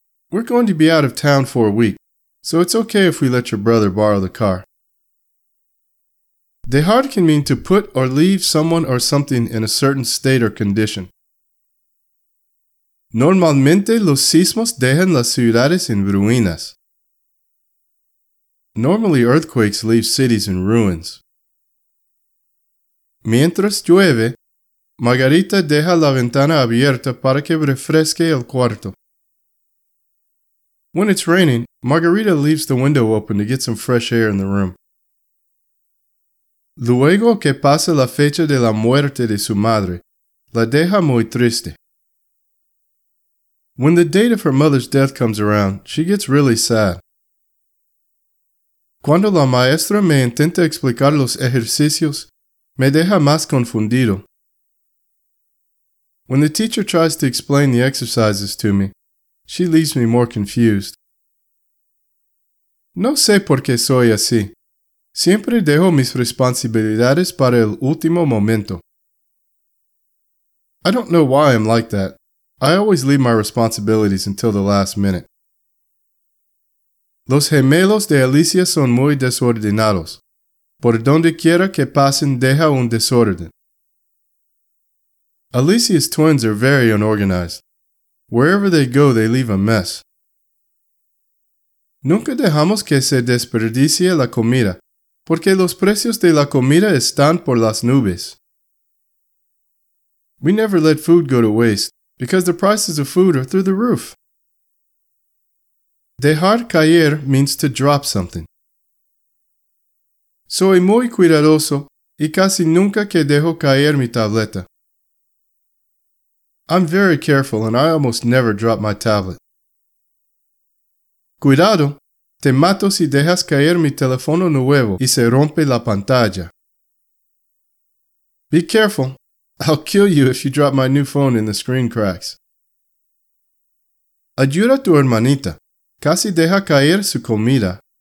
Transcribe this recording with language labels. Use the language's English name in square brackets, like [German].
[English] We're going to be out of town for a week, so it's okay if we let your brother borrow the car. Dejar can mean to put or leave someone or something in a certain state or condition. [Spanish] Normalmente los sismos dejan las ciudades en ruinas. [English] Normally earthquakes leave cities in ruins. [Spanish] Mientras llueve, Margarita deja la ventana abierta para que refresque el cuarto. [English] When it's raining, Margarita leaves the window open to get some fresh air in the room. [Spanish] Luego que pasa la fecha de la muerte de su madre, la deja muy triste. [English] When the date of her mother's death comes around, she gets really sad. [Spanish] Cuando la maestra me intenta explicar los ejercicios, me deja más confundido. [English] When the teacher tries to explain the exercises to me, she leaves me more confused. [Spanish] No sé por qué soy así. Siempre dejo mis responsabilidades para el último momento. [English] I don't know why I'm like that. I always leave my responsibilities until the last minute. [Spanish] Los gemelos de Alicia son muy desordenados. Por donde quiera que pasen, deja un desorden. [English] Alicia's twins are very unorganized. Wherever they go, they leave a mess. [Spanish] Nunca dejamos que se desperdicie la comida, porque los precios de la comida están por las nubes. [English] We never let food go to waste, because the prices of food are through the roof. Dejar caer means to drop something. [Spanish] Soy muy cuidadoso y casi nunca que dejo caer mi tableta. [English] I'm very careful and I almost never drop my tablet. [Spanish] Cuidado, te mato si dejas caer mi teléfono nuevo y se rompe la pantalla. [English] Be careful, I'll kill you if you drop my new phone and the screen cracks. [Spanish] Ayuda a tu hermanita, casi deja caer su comida.